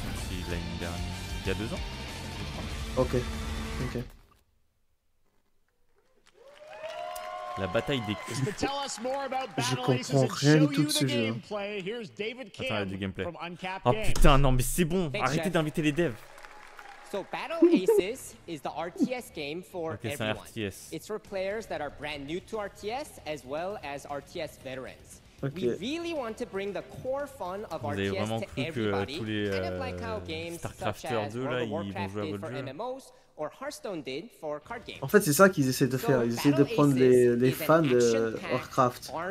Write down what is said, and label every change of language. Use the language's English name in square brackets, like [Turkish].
[French] Il y a deux ans. Ok, ok. La bataille des clans. Je comprends rien du tout de ce jeu. Attends, il y a du gameplay. Oh putain, non, mais c'est bon, arrêtez d'inviter les devs. [English] So Battle Aces is the RTS game for everyone. RTS. It's for players that are brand new to RTS as well as RTS veterans. Okay. We really want to bring the core fun of RTS to everybody. [French] StarCrafters 2 là, ils vont jouer à votre jeu. [English] MMOs, or Hearthstone did for card games. [French] En fait, c'est ça qu'ils essaient de faire. Ils essaient de prendre les fans de Warcraft.